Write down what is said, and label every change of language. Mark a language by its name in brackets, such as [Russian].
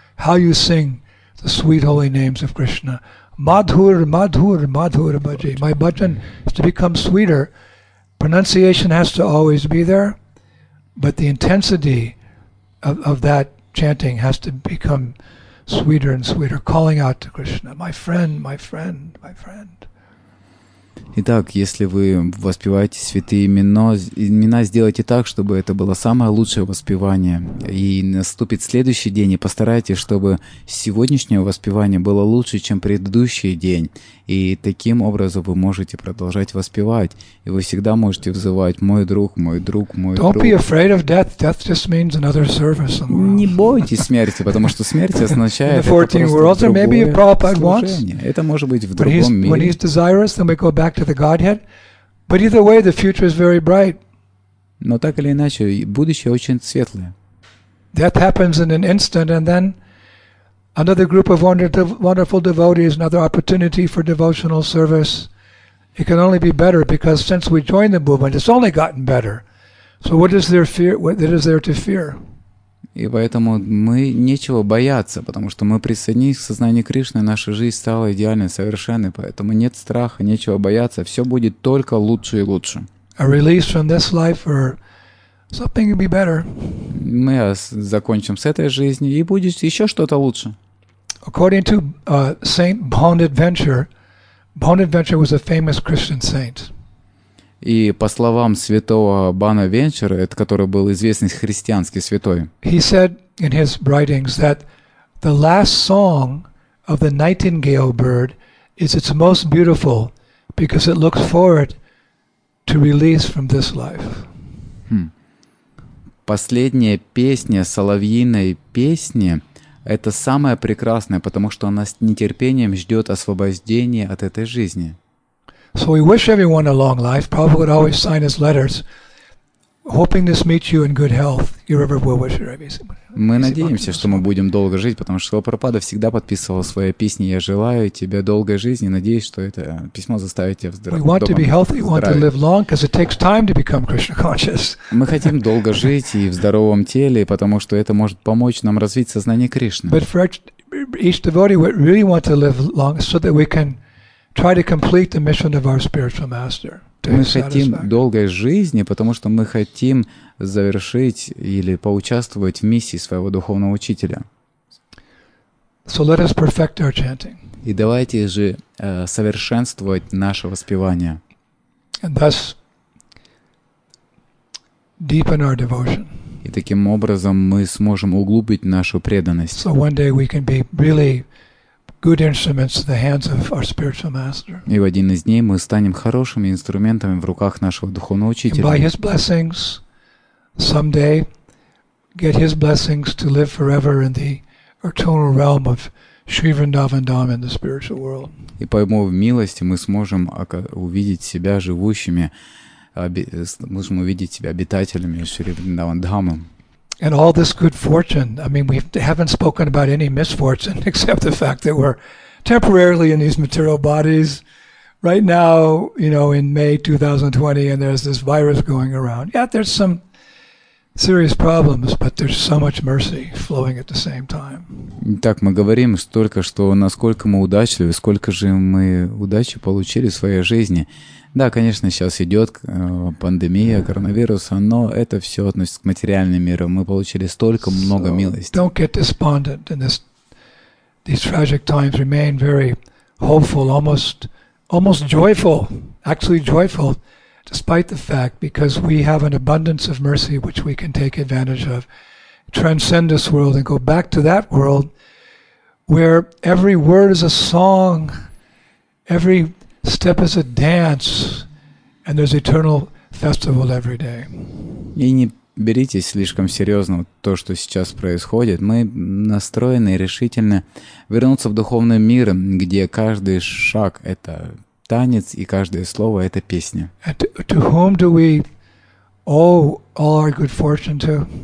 [English] How you sing the sweet holy names of Krishna. Madhur, madhur, madhur bhaji. My bhajan is to become sweeter. Pronunciation has to always be there, but the intensity of that chanting has to become sweeter and sweeter, calling out to Krishna, my friend, my friend, my friend. [Russian] Итак, если вы воспеваете святые имена, сделайте так, чтобы это было самое лучшее воспевание. И наступит следующий день, и постарайтесь, чтобы сегодняшнее воспевание было лучше, чем предыдущий день. И таким образом вы можете продолжать воспевать. И вы всегда можете взывать «Мой друг, мой друг, мой друг». [English] Don't be afraid of death. Death just means another service. [Russian] Не бойтесь смерти, потому что смерть означает это просто другое служение. Это может быть в другом мире. [English] When he's desirous, then we go back to the Godhead. But either way, the future is very bright. [Russian] Но так или иначе, будущее очень светлое. [English] Death happens in an instant, and then another group of wonderful devotees, another opportunity for devotional service. It can only be better, because since we joined the movement, it's only gotten better. So what is there fear? What is there to fear? [Russian] И поэтому мы нечего бояться, потому что мы присоединились к сознанию Кришны, наша жизнь стала идеальной, совершенной. Поэтому нет страха, нечего бояться. Все будет только лучше и лучше. [English] A release from this life or something will be better. [Russian] Мы закончим с этой жизни, и будет еще что-то лучше. [English] According to Saint Bonaventure, Bonaventure was a famous Christian saint. [Russian] И по словам святого Бонавенчура, это который был известный христианский святой. [English] He said in his writings that the last song of the nightingale bird is its most beautiful because it looks forward to release from this life. [Russian] Последняя песня соловьиной песни — это самое прекрасное, потому что она с нетерпением ждет освобождения от этой жизни. [English] So we wish everyone a long life. Prabhupada would always sign his letters, hoping this meets you in good health. Your reverend will wish you. [Russian] Мы надеемся, что мы будем долго жить, потому что Прабхупада всегда подписывал свои песни. Я желаю тебе долгой жизни. Надеюсь, что это письмо заставит тебя здоровым. [English] We want to be healthy. We want to live long, because it takes time to become Krishna conscious. [Russian] Мы хотим долго жить и в здоровом теле, потому что это может помочь нам развить сознание Кришны. [English] But for each devotee, we really want to live long, so that we can try to complete the mission of our spiritual master. [Russian] Мы хотим долгой жизни, потому что мы хотим завершить или поучаствовать в миссии своего духовного учителя. [English] So let us perfect our chanting. [Russian] И давайте же совершенствовать наше воспевание. [English] And thus deepen our devotion. [Russian] И таким образом мы сможем углубить нашу преданность. [English] So one day we can be really good instruments in the hands of our spiritual master. [Russian] И в один из дней мы станем хорошими инструментами в руках нашего духовного учителя. [English] By his blessings, someday get his blessings to live forever in the eternal realm of Sri Vrindavan Dham in the spiritual world. [Russian] И по его милости мы сможем увидеть себя живущими, сможем увидеть себя обитателями Шри Вриндаван Дхамы. [English] And all this good fortune, I mean, we haven't spoken about any misfortune except the fact that we're temporarily in these material bodies right now, you know, in May 2020, and there's this virus going around. Yeah, there's some serious problems, but there's so much mercy flowing at the same time. [Russian] Итак, мы говорим столько, что насколько мы удачливы, сколько же мы удачи получили в своей жизни. Да, конечно, сейчас идет пандемия коронавируса, но это все относится к материальному миру. Мы получили столько много милости. [English] Don't get despondent in these tragic times. Remain very hopeful, almost joyful, actually joyful, despite the fact, because we have an abundance of mercy which we can take advantage of, transcend this world and go back to that world where every word is a song, every step is a dance, and there's eternal festival every day. [Russian] И не берите слишком серьезно то, что сейчас происходит. Мы настроены решительно вернуться в духовный мир, где каждый шаг — это танец, и каждое слово — это песня. [English] To whom do we owe all our good fortune to?